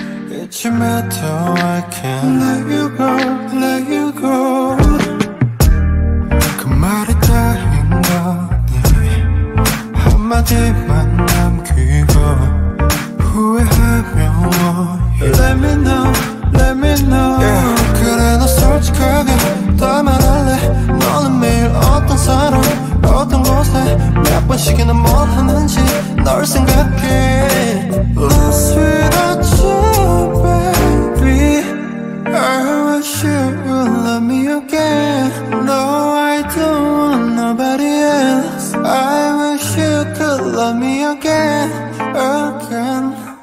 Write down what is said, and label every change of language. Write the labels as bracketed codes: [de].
[ko] Ijjeumedo [en] I can't let you go, let you go. [ko] 그 말이 다인 거니 한마디만 남기고 후회하면 [en] let me know, let me know. Yeah. [ko] 그래 너 솔직하게 다 말할래. 너는 매일 어떤 사람 어떤 곳에 몇 번씩이나 뭘 하는지 널 생각해. [en] Lost without you, baby. I wish you would love me again. No, I don't want nobody else. I wish you could love me again, again.